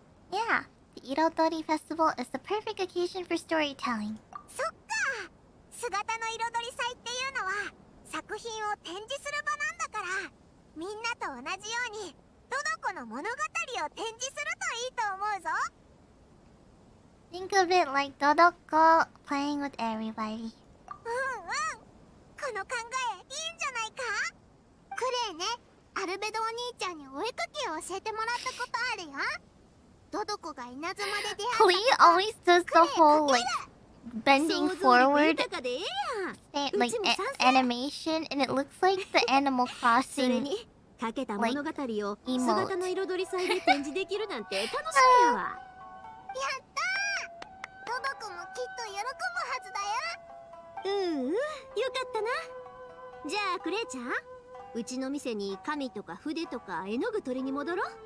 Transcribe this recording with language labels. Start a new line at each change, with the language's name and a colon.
English: Yeah, the Irodori Festival is the perfect occasion for storytelling。
Japanese: そっか、姿の Irodori祭っていうのは作品を展示する場なんだから、みんなと同じようにトドコの物語を展示するといいと思うぞ。
English: Think of it like Dodoko playing with everybody.
Japanese: この考えいいんじゃないか？クレイね、アルベドお兄ちゃんにお絵かきを教えてもらったことあるよ。 Dodoko が稲妻で出会った
English: Clee always does the whole like bending forward like animation, and it looks like the Animal Crossing
Japanese: かけた物語を姿の彩り祭で展示できるなんて楽しみやわ。やったー、ドドコもきっと喜ぶはずだよ。ううん、よかったな。じゃあクレイちゃん、うちの店に紙とか筆とか絵の具取りに戻ろ。